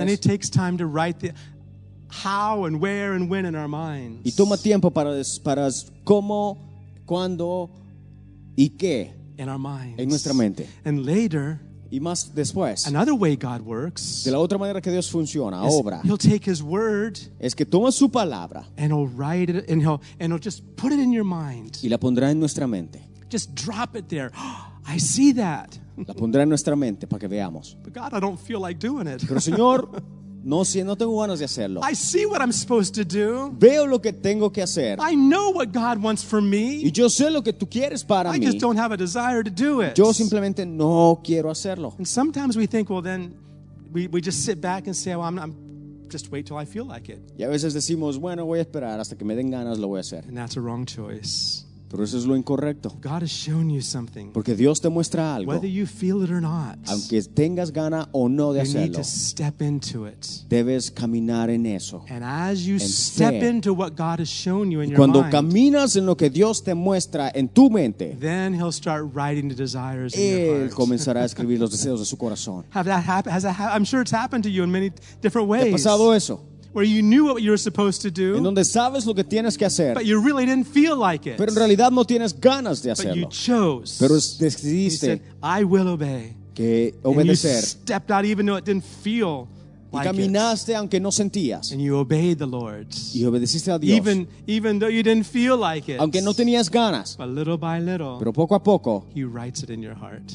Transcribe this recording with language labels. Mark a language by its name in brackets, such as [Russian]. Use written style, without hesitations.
[English] And it takes time to write the how and where and when in our minds. [Spanish] Y toma tiempo para cómo, cuándo y qué [English] in our minds. [Spanish] En nuestra mente. [English] And later, [Spanish] y más después, [English] another way God works, [Spanish] de la otra manera que Dios funciona, obra. [English] He'll take his word, [Spanish] es que toma su palabra, [English] and he'll write it and he'll just put it in your mind. [Spanish] Y la pondrá en nuestra mente. [English] Just drop it there. Oh, I see that. [Spanish] La pondrá en nuestra mente para que veamos. [English] But God, I don't feel like doing it. [Spanish] Pero Señor, no, si no tengo ganas de hacerlo. [English] I see what I'm supposed to do. [Spanish] Veo lo que tengo que hacer. [English] I know what God wants for me. [Spanish] Y yo sé lo que tú quieres para mí. [English] I just don't have a desire to do it. [Spanish] Yo simplemente no quiero hacerlo. [English] And sometimes we think, well, then we just sit back and say, well, I'm just wait till I feel like it. [Spanish] Y a veces decimos, bueno, voy a esperar hasta que me den ganas, lo voy a hacer. [English] And that's a wrong choice. [Spanish] Pero eso es lo incorrecto. [English] God has shown you something. [Spanish] Porque Dios te muestra algo. [English] Whether you feel it or not, [Spanish] aunque tengas gana o no de [English] you [Spanish] hacerlo, [English] need to step into it. [Spanish] Debes caminar en eso. [English] And as you step into what God has shown you in your [Spanish] cuando [English] mind, [Spanish] caminas en lo que Dios te muestra en tu mente, [English] then he'll start writing the desires [Spanish] él [English] in your heart. [Spanish] Comenzará a escribir los deseos de su corazón. [English] Have that happened? Has that I'm sure it's happened to you in many different ways. [Spanish] ¿Te ha pasado eso? [English] Where you knew what you were supposed to do, [Spanish] en donde sabes lo que tienes que hacer, [English] but you really didn't feel like it. [Spanish] Pero en realidad no tienes ganas de hacerlo. [English] But you chose. [Spanish] Pero decidiste. [English] You said, "I will obey." [Spanish] Que obedecer. [English] And you stepped out even though it didn't feel like it. [Spanish] Y caminaste [English] it. [Spanish] Aunque no sentías. [English] And you obeyed the Lord. [Spanish] Y obedeciste a Dios. [English] Even though you didn't feel like it. [Spanish] Aunque no tenías ganas. [English] But little by little. [Spanish] Pero poco a poco. [English] He writes it in your heart.